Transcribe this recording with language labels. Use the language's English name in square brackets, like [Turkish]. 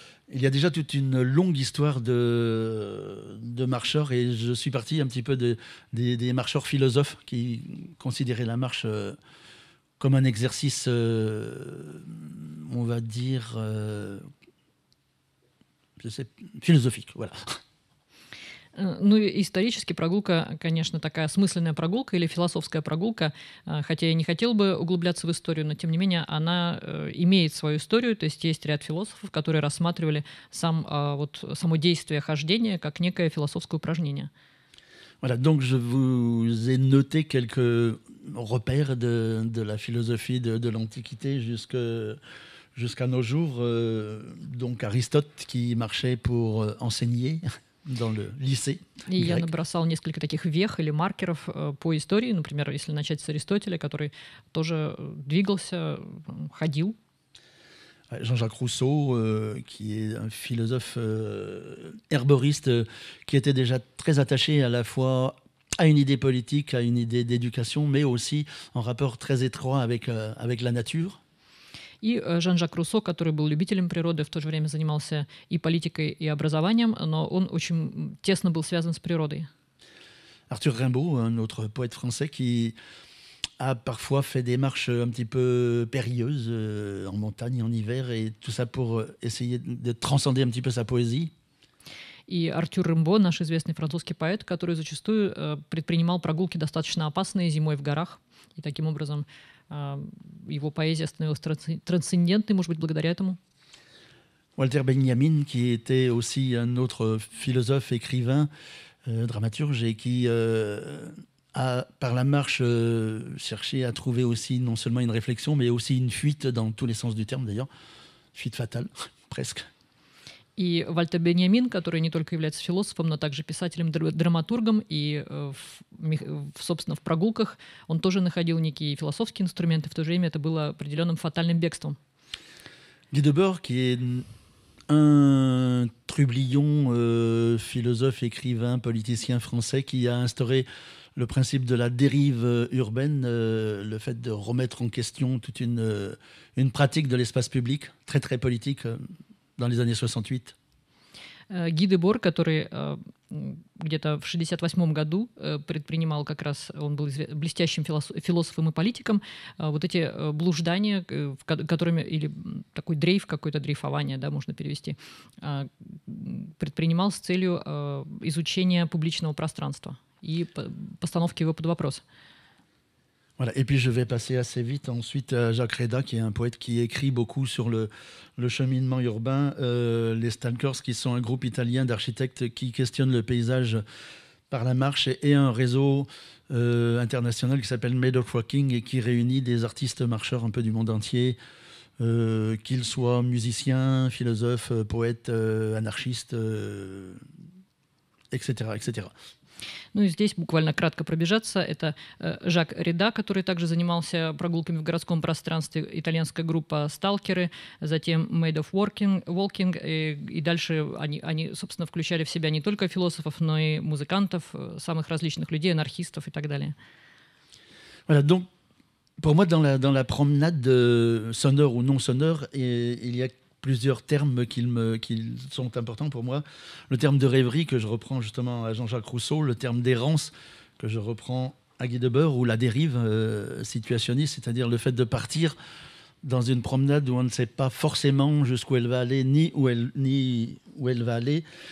[French] Il y a déjà toute une longue histoire de marcheurs et je suis parti un petit peu des marcheurs philosophes qui considéraient la marche comme un exercice, on va dire, je sais, philosophique, voilà. [Russian] Ну, исторически прогулка, конечно, такая осмысленная прогулка или философская прогулка, хотя я не хотел бы углубляться в историю, но тем не менее она имеет свою историю, то есть есть ряд философов, которые рассматривали само действие хождения как некое философское упражнение. [French] Voilà, donc je vous ai noté quelques repères de la philosophie de l'Antiquité jusqu'à nos jours, donc Aristote qui marchait pour enseigner. Dans le lycée. [Russian] И я набросал несколько таких вех или маркеров по истории. Например, если начать с Аристотеля, который тоже двигался, ходил. [French] Jean-Jacques Rousseau, qui est un philosophe herboriste, qui était déjà très attaché à la fois à une idée politique, à une idée d'éducation, mais aussi en rapport très étroit avec la nature. [Russian] И Жан-Жак Руссо, который был любителем природы, в то же время занимался и политикой, и образованием, но он очень тесно был связан с природой. [French] Артур Рембо, un autre poète français qui a parfois fait des marches un petit peu périlleuses en montagne en hiver et tout ça pour essayer de transcender un petit peu sa poésie. [Russian] И Артур Рембо, наш известный французский поэт, который зачастую предпринимал прогулки достаточно опасные зимой в горах и таким образом его поэзия становилась трансцендентной, может быть, благодаря этому. [French] Вальтер Беньямин, qui était aussi un autre philosophe, écrivain, dramaturge, et qui a par la marche cherché à trouver aussi non seulement une réflexion, mais aussi une fuite dans tous les sens du terme, d'ailleurs, fuite fatale, presque. [Russian] И Вальтер Беньямин, который не только является философом, но также писателем, драматургом, и, собственно, в прогулках он тоже находил некие философские инструменты, в то же время это было определенным фатальным бегством. [French] Guy Debord, qui est un trublion, philosophe, écrivain, politicien français, qui a instauré le principe de la dérive urbaine, le fait de remettre en question toute une pratique de l'espace public, très très politique, dans les années 68. [Russian] Guy Debord, который где-то в 68-м году предпринимал как раз, он был блестящим философом и политиком, вот эти блуждания, которыми, или такой дрейф, какое-то дрейфование, да, можно перевести, предпринимал с целью изучения публичного пространства и постановки его под вопрос. [French] Voilà. Et puis je vais passer assez vite ensuite à Jacques Reda, qui est un poète qui écrit beaucoup sur le cheminement urbain. Les Stalkers, qui sont un groupe italien d'architectes qui questionnent le paysage par la marche, et un réseau international qui s'appelle Made of Walking et qui réunit des artistes marcheurs un peu du monde entier, qu'ils soient musiciens, philosophes, poètes, anarchistes, etc., etc. [Russian] Ну и здесь буквально кратко пробежаться. Это Жак Рида, который также занимался прогулками в городском пространстве, итальянская группа «Сталкеры», затем «Made of Walking», и дальше они, собственно, включали в себя не только философов, но и музыкантов, самых различных людей, анархистов и так далее. [French] Voilà, donc, pour moi, dans la promenade, sonore ou non sonore, il y a plusieurs termes qui sont importants pour moi. Le terme de rêverie que je reprends justement à Jean-Jacques Rousseau, le terme d'errance que je reprends à Guy Debord, ou la dérive situationniste, c'est-à-dire le fait de partir dans une promenade où on ne sait pas forcément jusqu'où elle va aller, ni où elle va aller.